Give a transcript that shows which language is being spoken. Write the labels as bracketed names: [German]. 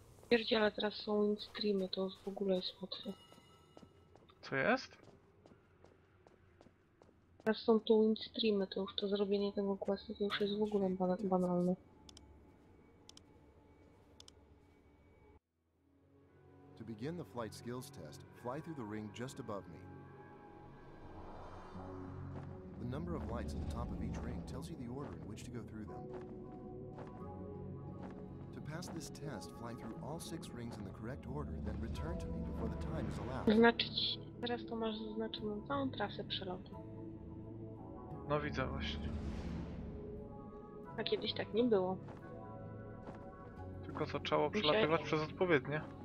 [Polish] Pierdziele, teraz są in streamy, to w ogóle jest łatwe. Co jest? Teraz są tu in streamy, to już to zrobienie tego questu to już jest w ogóle banalne. [English] To begin the flight skills test, fly through the ring just above me. The number of lights at the top of each ring tells you the order in which to go through them. To pass this test, fly through all six rings in the correct order, then return to me before the time is allowed. [Polish] Znaczyć, teraz to masz zaznaczoną całą trasę przelotu. No widzę właśnie. A kiedyś tak nie było. Tylko zaczęło przelatywać przez odpowiednie.